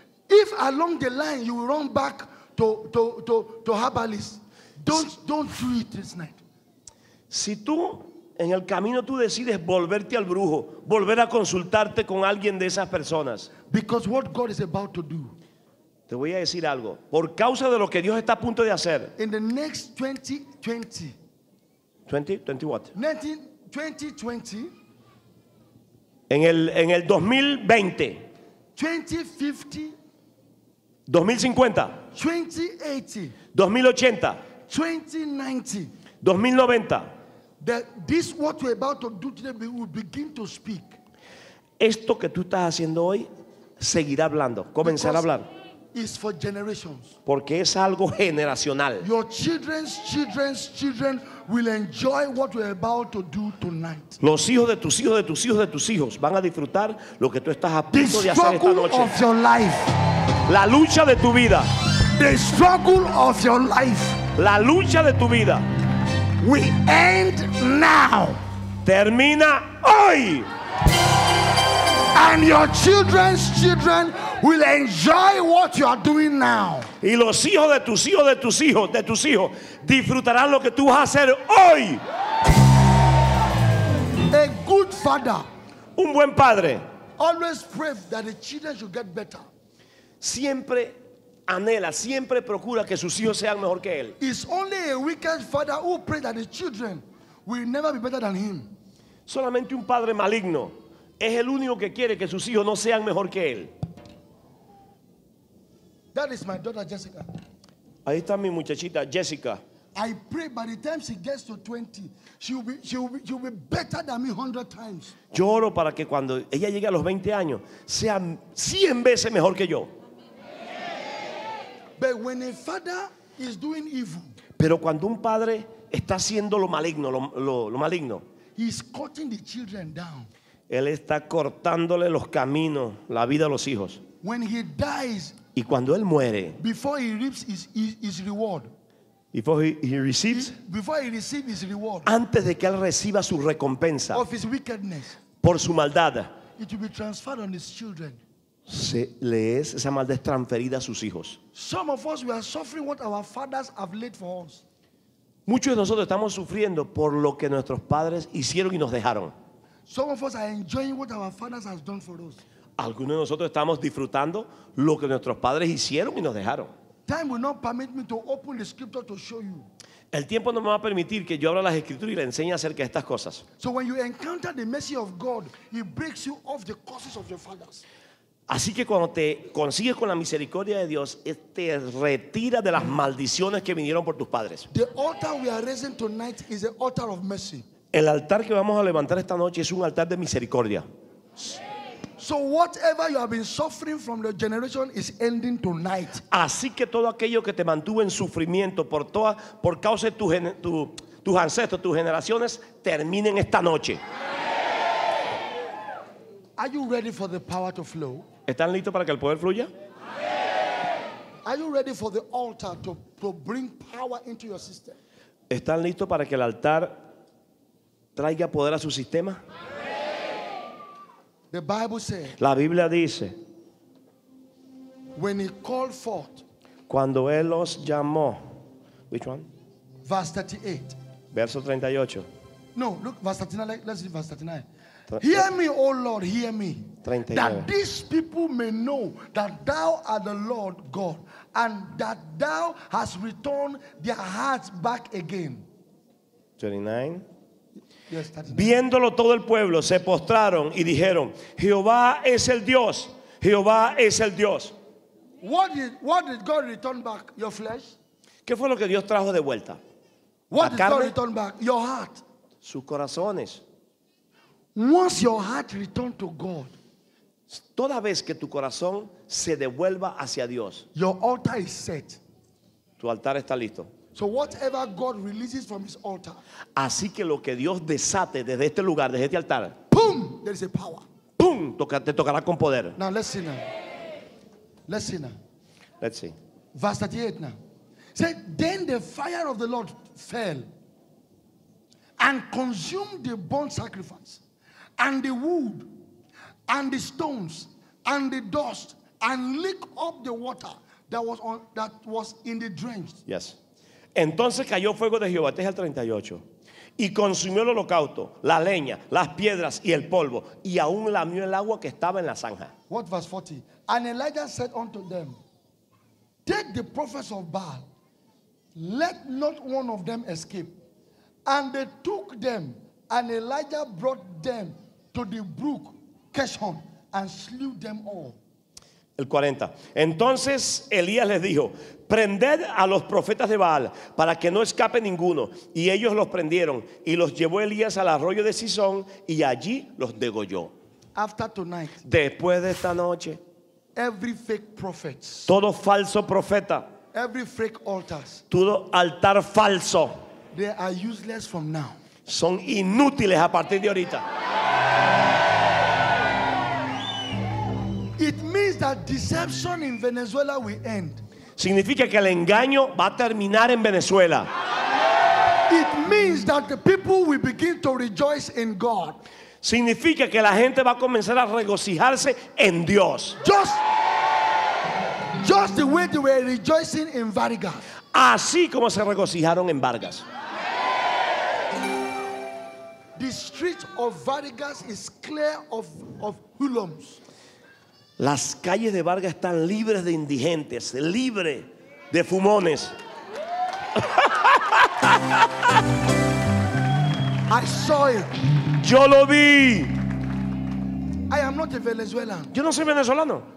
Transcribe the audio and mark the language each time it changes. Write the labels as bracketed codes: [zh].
[en] If along the line you run back to herbalist, don't do it this night. [es] Si tú en el camino tú decides volverte al brujo, volver a consultarte con alguien de esas personas. [en] Because what God is about to do. [es] Te voy a decir algo. Por causa de lo que Dios está a punto de hacer. [en] In the next 2020. 2020 what? 2020. [es] En el 2020. [en] 2050. [es] 2050. [en] 2080. [es] 2080. [en] 2090. [es] 2090. [en] That this what we're about to do today will begin to speak. [es] Esto que tú estás haciendo hoy seguirá hablando, comenzará [en] because [es] a hablar. [en] It's for generations. [es] Porque es algo generacional. [en] Your children's children's children will enjoy what we're about to do tonight. [es] Los hijos de tus hijos de tus hijos de tus hijos van a disfrutar lo que tú estás a punto [en] the [es] de hacer esta noche. [en] Of your life. [es] La lucha de tu vida. [en] The struggle of your life. [es] La lucha de tu vida. [en] We end now. [es] Termina hoy. [en] And your children's children will enjoy what you are doing now. [es] Y los hijos de tus hijos de tus hijos de tus hijos disfrutarán lo que tú vas a hacer hoy. [en] A good father. [es] Un buen padre. [en] Always pray that the children should get better. [es] Siempre anhela, siempre procura que sus hijos sean mejor que él. [en] It's only a wicked father who prays that the children will never be better than him. [es] Solamente un padre maligno es el único que quiere que sus hijos no sean mejor que él. [en] That is my daughter Jessica. [es] Ahí está mi muchachita Jessica. [en] I pray by the time she gets to 20, she will be better than me 100 times. [es] Yo oro para que cuando ella llegue a los 20 años sea 100 veces mejor que yo. [en] But when a father is doing evil, [es] pero cuando un padre está haciendo lo maligno, [en] he is cutting the children down. [es] Él está cortándole los caminos, la vida a los hijos. [en] When he dies, [es] y cuando él muere, [en] before he reaps his reward, before he receives his reward, [es] antes de que él reciba su recompensa, [en] of his wickedness, [es] por su maldad, [en] it will be transferred on his children. [es] Se le es esa maldad es transferida a sus hijos. [en] Some of us we are suffering what our fathers have laid for us. [es] Muchos de nosotros estamos sufriendo por lo que nuestros padres hicieron y nos dejaron. [en] Some of us are enjoying what our fathers has done for us. [es] Algunos de nosotros estamos disfrutando lo que nuestros padres hicieron y nos dejaron. [en] Time will not permit me to open the scripture to show you. [es] El tiempo no me va a permitir que yo abra las escrituras y le enseñe acerca de estas cosas. [en] So when you encounter the mercy of God, it breaks you off the curses of your fathers. [es] Así que cuando te consigues con la misericordia de Dios, te retira de las maldiciones que vinieron por tus padres. [en] The altar we are raising tonight is the altar of mercy. [es] El altar que vamos a levantar esta noche es un altar de misericordia. [en] So whatever you have been suffering from the generation is ending tonight. [es] Así que todo aquello que te mantuvo en sufrimiento por causa de tus ancestros, tus generaciones, terminen esta noche. [en] Are you ready for the power to flow? [es] ¿Están listos para que el poder fluya? [en] Are you ready for the altar to bring power into your system? [es] ¿Están listos para que el altar traiga poder a su sistema? [en] The Bible says. [es] La Biblia dice. [en] When he called forth. [es] Cuando él los llamó. [en] Which one? Verse 38. [es] Verso 38. [en] No, look, verse 39. Let's see verse 39. Hear me, O Lord, hear me. 39. That these people may know that thou art the Lord God and that thou hast returned their hearts back again. 39. Yes, 39. [es] Viéndolo todo el pueblo, se postraron y dijeron, Jehová es el Dios, Jehová es el Dios. [en] What did God return back? Your flesh? [es] ¿Qué fue lo que Dios trajo de vuelta? [en] What did God return back? Your heart. [es] Sus corazones. [en] Once your heart returns to God, [es] toda vez que tu corazón se devuelva hacia Dios, [en] your altar is set. [es] Tu altar está listo. [en] So whatever God releases from His altar, [es] así que lo que Dios desate desde este lugar, desde este altar, [en] boom, there is a power. [es] Boom, te tocará con poder. [en] Now let's see now. Let's see. Verse 38 now. Said, then the fire of the Lord fell and consumed the burnt sacrifice and the wood and the stones and the dust and licked up the water that was in the drench. [es] Yes. Entonces cayó fuego de Jehová. Este es el 38. Y consumió el holocausto, la leña, las piedras y el polvo. Y aún lamió el agua que estaba en la zanja. [en] What verse 40? And Elijah said unto them, take the prophets of Baal, let not one of them escape. And they took them, and Elijah brought them to the brook Kishon and slew them all. [es] El 40. Entonces Elías les dijo, prended a los profetas de Baal para que no escape ninguno. Y ellos los prendieron y los llevó Elías al arroyo de Sison y allí los degolló. [en] After tonight, [es] después de esta noche, [en] every fake prophet, [es] todo falso profeta, [en] every fake altars, [es] todo altar falso, [en] they are useless from now. [es] Son inútiles a partir de ahorita. [en] It means that deception in Venezuela will end. [es] Significa que el engaño va a terminar en Venezuela. [en] It means that the people will begin to rejoice in God. [es] Significa que la gente va a comenzar a regocijarse en Dios. [en] Just the way they were rejoicing in Vargas. [es] Así como se regocijaron en Vargas. [en] The street of Vargas is clear of hulums. [es] Las calles de Vargas están libres de indigentes, libres de fumones. [en] I saw it. [es] Yo lo vi. [en] I am not a Venezuelan. [es] Yo no soy venezolano.